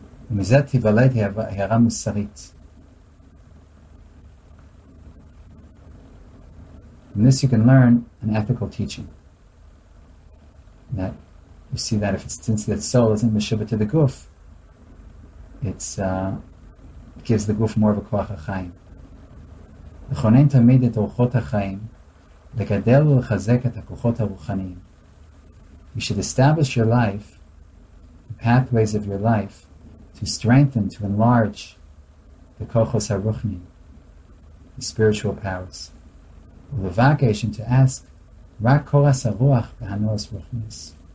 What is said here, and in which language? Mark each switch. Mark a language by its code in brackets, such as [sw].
[he] ומזה תיוולד הערה מוסרית. [en] From this you can learn an ethical teaching. That you see that since the soul isn't meshuvah to the goof, it gives the goof more of a koach achayim. [he] לכונן תמיד את אורחות החיים, לגדל ולחזק את הכוחות הרוחניים. [en] You should establish your life, the pathways of your life, to strengthen, to enlarge the kochos haruchnim, the spiritual powers. [he] Ulevakesh, [en] to ask, [he] rak koras haruach v'hanos ruchnis.